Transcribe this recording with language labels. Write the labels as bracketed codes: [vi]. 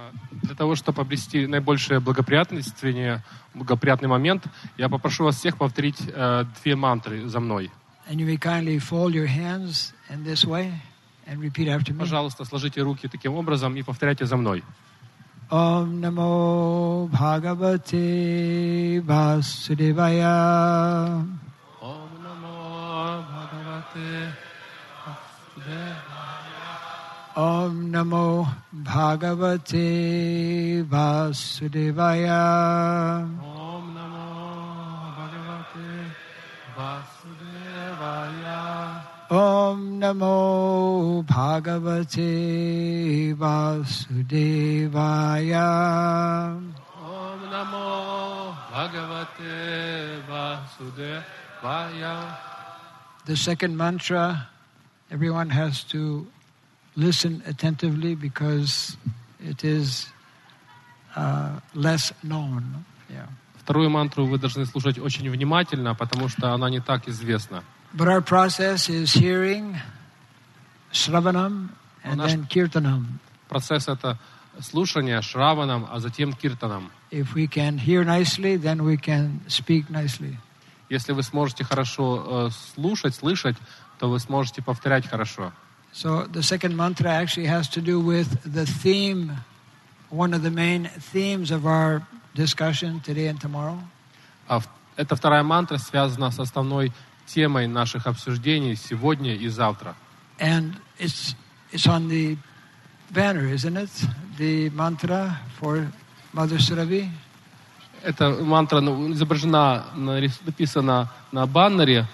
[ru] Для того, чтобы обрести наибольшее благоприятный момент, я попрошу вас всех повторить две мантры за мной. [en] And you may kindly fold your hands in this way and repeat after me. [ru] Пожалуйста, сложите руки таким образом и повторяйте за мной. [sa] Om namo Bhagavate Vasudevaya. Om namo Bhagavate Vasudevaya. Om namo Bhagavate Vasudevaya. Om namo Bhagavate Vasudevaya. Om namo Bhagavate Vasudevaya. Om namo Bhagavate Vasudevaya. [en] The second mantra, everyone has to listen attentively because it is less known. Yeah. [ru] Вторую мантру вы должны слушать очень внимательно, потому что она не так известна. [en] But our process is hearing shravanam and then kirtanam. [ru] Процесс это слушание шраванам, а затем киртанам. [en] If we can hear nicely, then we can speak nicely. [ru] Если вы сможете хорошо слышать, то вы сможете повторять хорошо. [en] So the second mantra actually has to do with the theme, one of the main themes of our discussion today and tomorrow. [ru] Эта вторая мантра связана с основной темой наших обсуждений сегодня и завтра. [en] And it's on the banner, isn't it? The mantra for Mother Surabhi. [ru] Эта мантра изображена, написана на баннере.